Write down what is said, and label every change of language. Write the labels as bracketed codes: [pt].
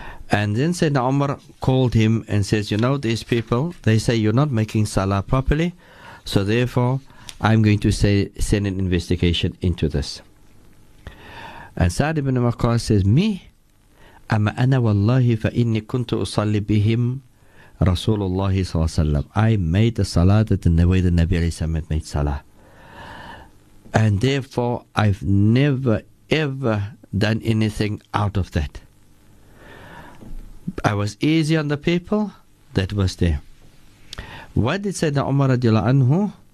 [en] And then Sayyidina Umar called him and says, you know, these people, they say you're not making Salah properly, so therefore I'm going to send an investigation into this. And Sa'd ibn Waqqas says, me? [ar] أما أنا والله فإني كنت أصلي بهم رسول الله صلى الله عليه وسلم. [en] I made the salah that the way the Nabi [ar] عليه الصلاة والسلام [en] made salah. And therefore, I've never ever done anything out of that. I was easy on the people that was there. What did Sayyidina Umar radiallahu anhu?